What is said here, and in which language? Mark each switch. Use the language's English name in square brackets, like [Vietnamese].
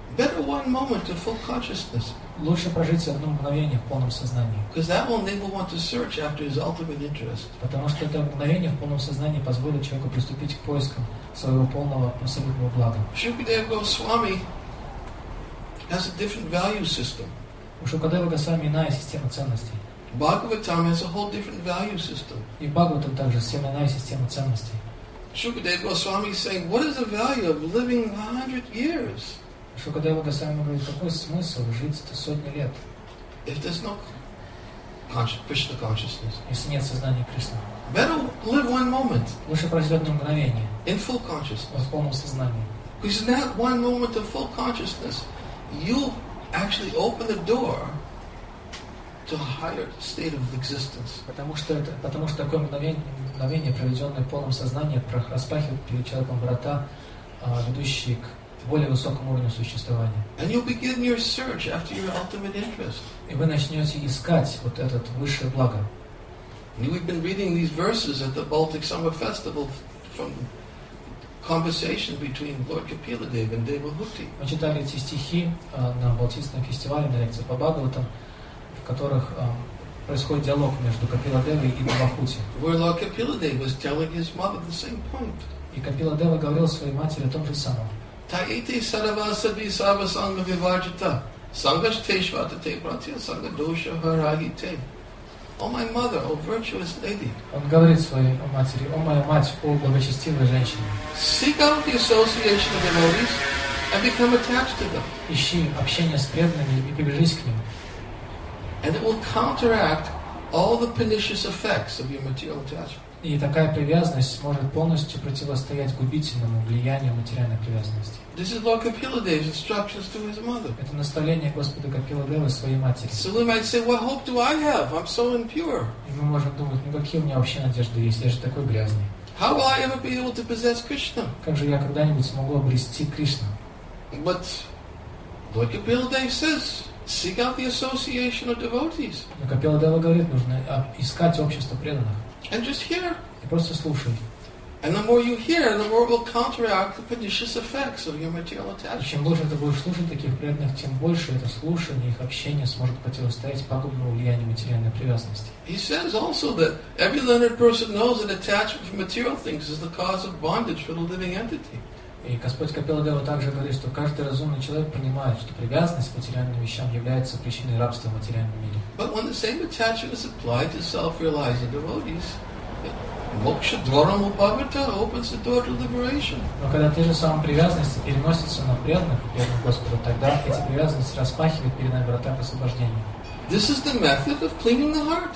[English] Better one moment of full consciousness. [Russian] Лучше прожить одно мгновение в полном сознании. [English] Because that will enable one to search after his ultimate interest. [Russian] Потому что это мгновение в полном сознании позволит человеку приступить к поискам своего полного абсолютного блага. [English] Shukadeva Goswami has a different value system. [Russian] У Шукадева Госвами иная система ценностей. [English] Bhagavatam has a whole different value system. [Russian] И Бхагаватам также совсем иная система ценностей. [English] Шукадева Госвами saying, what is the value of living 100 years? [Russian] Шукадева Госвами говорит, какой смысл жить 100 лет? [English] If there's no Krishna consciousness. [Russian] Если нет сознания Кришны. [English] Better live one moment. [Russian] Лучше прожить одно мгновение. [English] In full consciousness. [Russian] В полном сознании. [English] Because in that one moment of full consciousness, you actually open the door to a higher state of existence. [Russian] Потому что такое мгновение, проведенное в полном сознании, распахивает перед человеком врата, ведущие к более высокому уровню существования. [English] And you begin your search after your ultimate interest. [Russian] И вы начнете искать вот этот высшее благо. [English] We've been reading these verses at the Baltic Summer Festival from conversation between Lord Kapila Dev and Devahuti. [Russian] Мы читали эти стихи на Балтийском фестивале, на лекции по Бхагаватам, в которых происходит диалог между Капила Девой и Девахути. [English] Where Lord Kapila Dev was telling his mother the same point. [Russian] И Капила Дева говорил своей матери о том же самом. [Sanskrit] Таити саравасави саравасанга виваджита сангаштешвата те пратья сангадоша харагите. [English] О, my mother, о, virtuous lady. [Russian] Он говорит своей матери, о, моя мать, о, благочестивая женщина. [English] Seek out the association of devotees and become attached to them. [Russian] Ищи общение с преданными и прибежись к ним. [English] And it will counteract all the pernicious effects of your material attachment. [Russian] И такая привязанность сможет полностью противостоять губительному влиянию материальной привязанности. [English] This is Lord Kapiladeva's instructions to his mother. [Russian] Это наставление Господа Капиладевы своей матери. [English] So we might say, what hope do I have? I'm so impure. [Russian] И мы можем думать, ну какие у меня вообще надежды есть, я же такой грязный. [English] How will I ever be able to possess Krishna? [Russian] Как же я когда-нибудь смогу обрести Кришну? [English] But Lord Kapiladeva says, seek out the association of devotees. [Russian] Но Капиладева говорит, нужно искать общество преданных. [English] And just hear. [Russian] И просто слушай. [English] And the more you hear, the more it will counteract the pernicious effects of your material attachment. [Russian] Чем больше ты будешь слушать таких преданных, тем больше это слушание, их общение сможет противостоять пагубному влиянию материальной привязанности. [English] He says also that every learned person knows that attachment to material things is the cause of bondage for the living entity. [Russian] И Господь Капиладева также говорит, что каждый разумный человек понимает, что привязанность к материальным вещам является причиной рабства в материальном мире. [English] But when the same attachment is applied to self-realizing devotees, [Sanskrit] Moksha dvaram upavita [English] opens the door to liberation. [Russian] Но когда те же самые привязанности переносятся на преданных Господа, тогда эти привязанности распахивают перед нами врата освобождения. [English] This is the method of cleaning the heart.